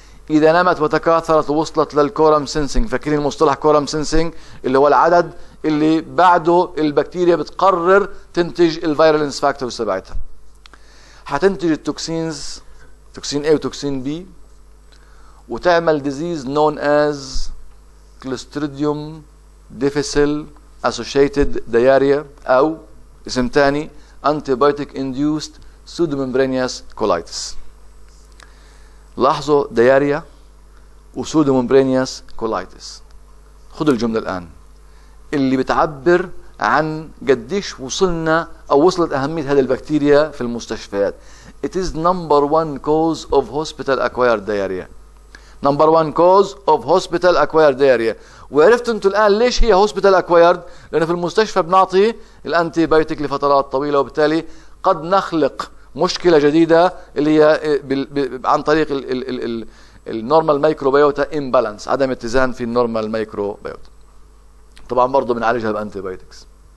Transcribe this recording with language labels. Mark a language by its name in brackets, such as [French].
[Arabic] اذا نمت وتكاثرت ووصلت للكورم سينسينج، فاكرين مصطلح كورم سينسينج اللي هو العدد اللي بعده البكتيريا بتقرر تنتج الفيرولنس فاكتورز تبعتها، هتنتج التوكسينز توكسين A وتوكسين B وتعمل [English] disease known as Clostridium difficile associated diarrhea [Arabic] أو اسم تاني [English] antibiotic induced pseudomembranous colitis. [Arabic] لاحظوا diarrhea و pseudomembranous colitis. خذوا الجملة الآن اللي بتعبر عن قديش وصلنا أو وصلت أهمية هذه البكتيريا في المستشفيات. [English] It is number one cause of hospital acquired diarrhea. Number one cause of hospital acquired diarrhea. [Arabic] وعرفت أنتوا الآن ليش هي hospital acquired؟ لأن في المستشفى بنعطي الأنتيبيوتيك لفترات طويلة وبالتالي قد نخلق مشكلة جديدة اللي هي عن طريق النورمال مايكروبيوتا إمبالانس، عدم اتزان في النورمال مايكروبيوتا. طبعا برضو بنعالجها بأنتيبيوتكس.